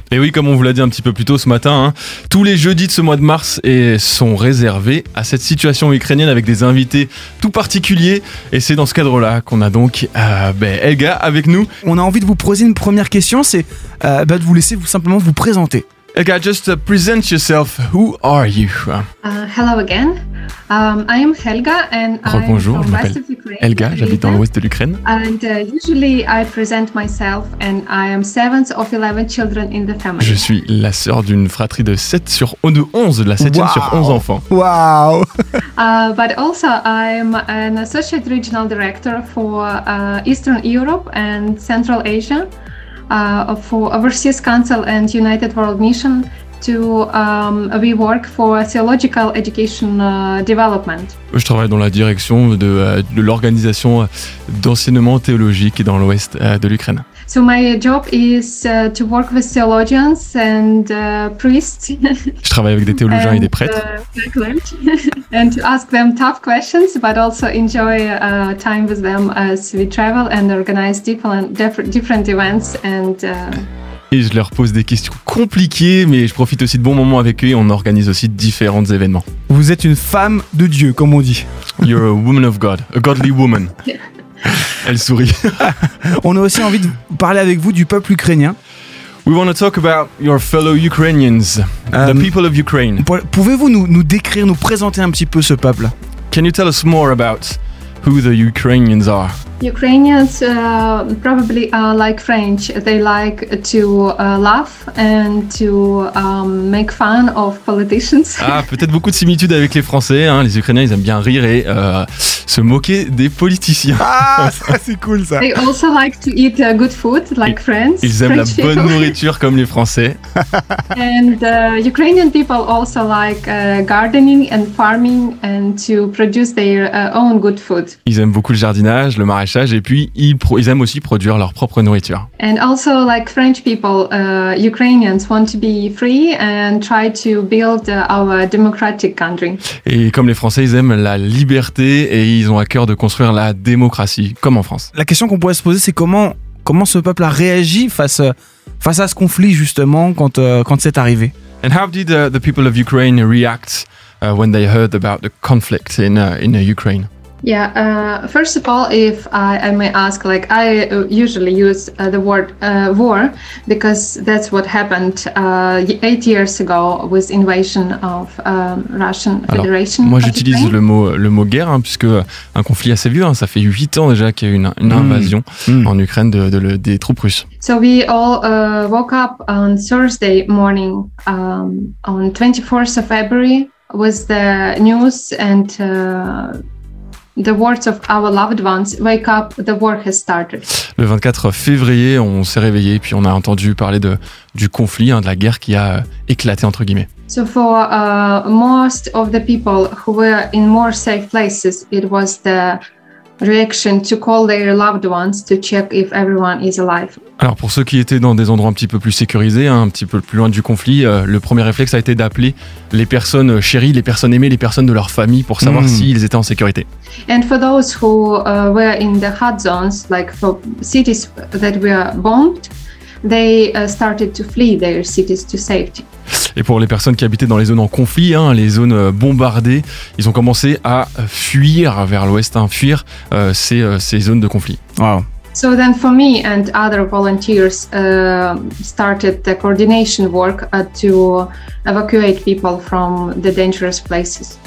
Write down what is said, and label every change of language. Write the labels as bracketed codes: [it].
[fr] Et oui, comme on vous l'a dit un petit peu plus tôt ce matin, tous les jeudis de ce mois de mars sont réservés à cette situation ukrainienne avec des invités tout particuliers, et c'est dans ce cadre-là qu'on a donc Helga avec nous. On a envie de vous poser une première question, c'est de vous laisser simplement vous présenter. [en] Helga, just present yourself. Who are you? Hello again. I am Helga and [fr] Bonjour, je m'appelle Helga, j'habite dans l'ouest de l'Ukraine. [en] And usually I present myself and I am seventh of 11 children in the family. [fr] Je suis la sœur d'une fratrie de 7 sur 11 enfants. Wow. [en] But also I'm an associate regional director for Eastern Europe and Central Asia. For Overseas Council and United World Mission we work for theological education development. [fr] Je travaille dans la direction de l'organisation d'enseignement théologique dans l'ouest de l'Ukraine. [en] So my job is to work with theologians and priests. [fr] Je travaille avec des théologiens et des prêtres. [en] And to ask them tough questions, but also enjoy time with them as we travel and organize different events and. [fr] Et je leur pose des questions compliquées, mais je profite aussi de bons moments avec eux et on organise aussi différents événements. Vous êtes une femme de Dieu, comme on dit. [en] You're a woman of God, a godly woman. [fr] Elle sourit. On a aussi envie de parler avec vous du peuple ukrainien. [en] We want to talk about your fellow Ukrainians, the people of Ukraine. [fr] Pouvez-vous nous décrire, nous présenter un petit peu ce peuple? [en] Can you tell us more about who the Ukrainians are? Ukrainians probably are like French. They like to laugh and to make fun of politicians. [fr] Ah, peut-être beaucoup de similitudes avec les Français. Hein. Les Ukrainiens, ils aiment bien rire et se moquer des politiciens. Ah, ça, c'est cool ça. [en] They also like to eat good food like friends. [fr] Ils aiment French la bonne people. Nourriture comme les Français. [en] And Ukrainian people also like gardening and farming and to produce their own good food. [fr] Ils aiment beaucoup le jardinage, le maraîchage et puis ils aiment aussi produire leur propre nourriture. [en] And also like French people, Ukrainians want to be free and try to build our democratic country. [fr] Et comme les Français, ils aiment la liberté et ils ont à cœur de construire la démocratie, comme en France. La question qu'on pourrait se poser, c'est comment ce peuple a réagi face à ce conflit, justement, quand c'est arrivé. [en] And how did the people of Ukraine react when they heard about the conflict in Ukraine? Yeah, first of all, if I may ask, like I usually use the word war, because that's what happened 8 years ago with invasion of Russian Federation. [fr] Alors, moi, j'utilise le mot guerre, hein, puisque un conflit assez vieux, hein, ça fait 8 ans déjà qu'il y a eu une invasion en Ukraine des troupes russes. [en] So we all woke up on Thursday morning on 24th of February with the news and. The words of our loved ones, wake up, the war has started. [fr] Le 24 février, on s'est réveillé et puis on a entendu parler du conflit, hein, de la guerre qui a éclaté entre guillemets. [en] So for most of the people who were in more safe places, it was the reaction to call their loved ones to check if everyone is alive. [fr] Alors pour ceux qui étaient dans des endroits un petit peu plus sécurisés, hein, un petit peu plus loin du conflit, le premier réflexe a été d'appeler les personnes chéries, les personnes aimées, les personnes de leur famille pour savoir s'ils étaient en sécurité. [en] And for those who were in the hot zones, like for cities that were bombed, they started to flee their cities to safety. [fr] Et pour les personnes qui habitaient dans les zones en conflit, hein, les zones bombardées, ils ont commencé à fuir vers l'ouest, hein, fuir ces zones de conflit. Wow. [en] So then for me and other volunteers started the coordination work to evacuate people from the dangerous places.